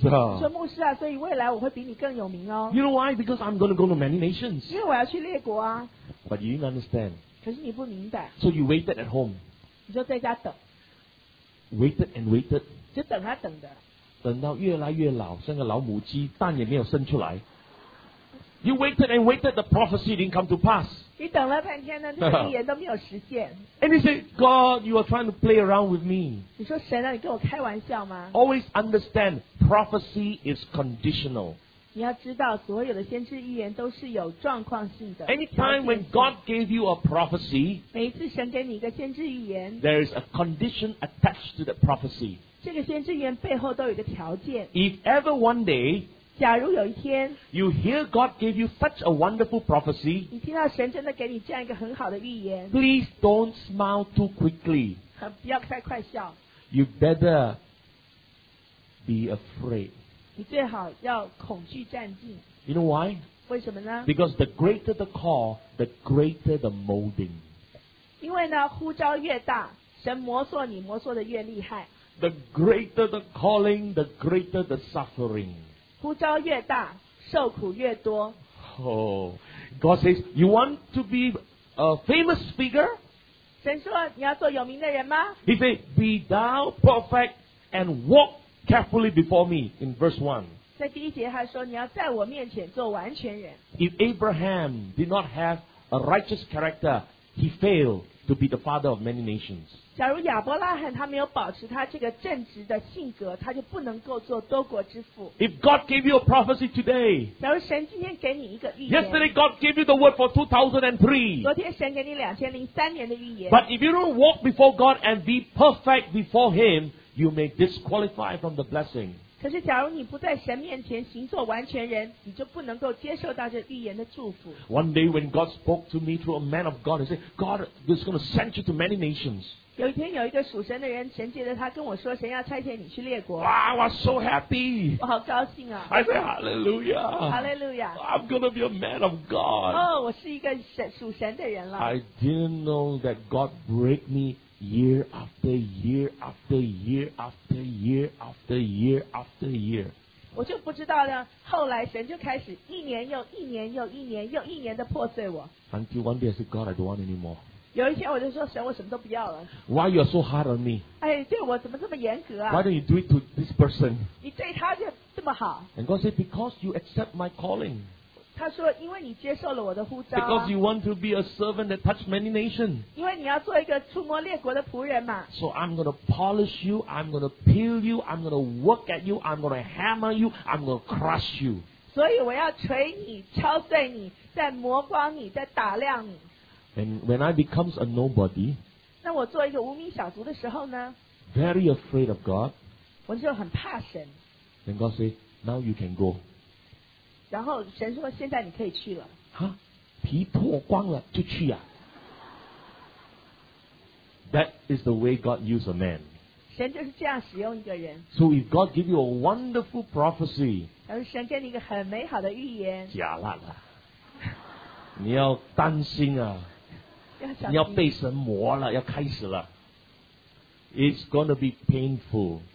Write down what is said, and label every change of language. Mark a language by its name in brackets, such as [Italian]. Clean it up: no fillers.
[Chinese] 说牧师啊，所以未来我会比你更有名哦。 [English] You know why? Because I'm going to go to many nations. [Chinese] 因为我要去列国啊。 [English] But you didn't understand. [Chinese] 可是你不明白。 [English] So you waited at home. [Chinese] 你就在家等。 [English] Waited and waited. [Chinese] 就等啊等的。等到越来越老，像个老母鸡，蛋也没有生出来。 [English] You waited and waited, the prophecy didn't come to pass. [Chinese] 你等了半天呢，那个预言都没有实现。 [English] And he said, God, you are trying to play around with me. [Chinese] 你说神啊，你跟我开玩笑吗？ [English] Always understand, prophecy is conditional. [Chinese] 你要知道所有的先知预言都是有状况性的。 [English] Anytime when God gave you a prophecy, [Chinese] 每一次神给你一个先知预言， [English] there is a condition attached to the prophecy. [Chinese] 这个先知预言背后都有一个条件。 [English] If ever one day, [Chinese] 假如有一天， [English] you hear God gave you such a wonderful prophecy, [Chinese] 你听到神真的给你这样一个很好的预言， [English] please don't smile too quickly. [Chinese] 不要太快笑。 [English] You better be afraid. [Chinese] 你最好要恐惧战兢。 [English] You know why? [Chinese] 为什么呢？ [English] Because the greater the call, the greater the molding. [Chinese] 因为呢，呼召越大，神磨挲你，磨挲的越厉害。 [English] The greater the calling, the greater the suffering. [Chinese] 呼召越大，受苦越多。 [English] Oh, God says, you want to be a famous figure? [Chinese] 神说你要做有名的人吗？ [English] He said, be thou perfect and walk carefully before me. In verse 1. [Chinese] 在第一节他说你要在我面前做完全人。 [English] If Abraham did not have a righteous character, he failed to be the father of many nations. [Chinese] 假如亚伯拉罕他没有保持他这个正直的性格，他就不能够做多国之父。 [English] If God gave you a prophecy today, [Chinese] 假如神今天给你一个预言。 [English] Yesterday God gave you the word for 2003. [Chinese] 昨天神给你2003年的预言。 [English] But if you don't walk before God and be perfect before Him, you may disqualify from the blessing. [Chinese] 可是假如你不在神面前行作完全人，你就不能够接受到这预言的祝福。 [English] One day when God spoke to me through a man of God, he said, God is going to send you to many nations. [Chinese] 有一天有一个属神的人，神借着他跟我说，神要差遣你去列国。 [English] Wow, I was so happy. [Chinese] 我好高兴啊。 [English] I said, Hallelujah. Hallelujah. I'm going to be a man of God. [Chinese] 哦、oh, ，我是一个属神的人了。 [English] I didn't know that God break me. Year after year after year after year after year after year. [Chinese] 我就不知道呢，后来神就开始一年又一年又一年又一年的破碎我。 [English] Until one day I said, God, I don't want anymore. [Chinese] 有一天我就说，神，我什么都不要了。 [English] Why you are so hard on me? [Chinese] 哎，对我怎么这么严格啊？ [English] Why don't you do it to this person? [Chinese] 你对他就这么好。 [English] And God said, because you accept my calling. [Chinese] 他说因为你接受了我的呼召、啊、 [English] Because you want to be a servant that touched many nations. [Chinese] 因为你要做一个触摸列国的仆人嘛。 [English] So I'm going to polish you, I'm going to peel you, I'm going to work at you, I'm going to hammer you, I'm going to crush you. [Chinese] 所以我要锤你，敲碎你，再磨光你，再打亮你。 [English] And when I become a nobody, [Chinese] 那我做一个无名小卒的时候呢？ [English] Very afraid of God. [Chinese] 我就很怕神。 [English] Then God said, now you can go. [Chinese] 然后神说现在你可以去了哈，皮破光了就去啊。 [English] That is the way God used a man. [Chinese] 神就是这样使用一个人。 [English] So if God give you a wonderful prophecy, [Chinese] 而神给你一个很美好的预言，假烂了，你要担心啊，要小心，你要被神磨了，要开始了。 [English] It's going to be painful.